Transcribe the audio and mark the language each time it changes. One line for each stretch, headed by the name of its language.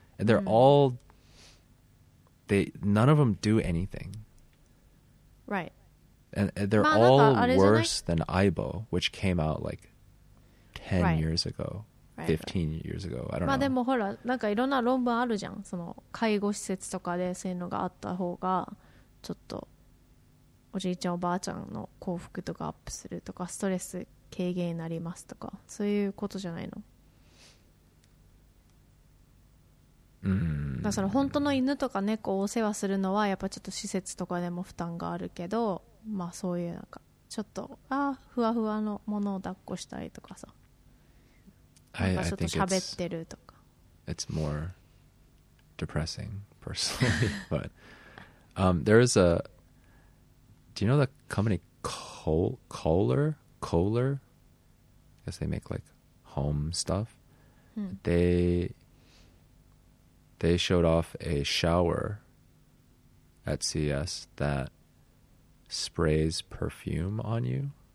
English: And they're all, none of them do anything. Right. And they're all worse than Aibo, which came out like 10 years ago, 15 years ago. I don't know.
Japanese: でもほら、なんかいろんな論文あるじゃん。その介護施設とかでそういうのがあった方が、ちょっとおじいちゃんおばあちゃんの幸福とかアップするとか、ストレス軽減になりますとか、そういうことじゃないの？だから本当の犬とか猫をお世話するのはやっぱちょっと施設とかでも負担があるけど、まあそういうなんかちょっとふわふわのものを抱っこしたりとかさ、なんかちょっと喋ってるとか、
English: it's more depressing personally. But there is a do you know the company Kohler? I guess they make like home stuff. They showed off a shower at CES that sprays perfume on you.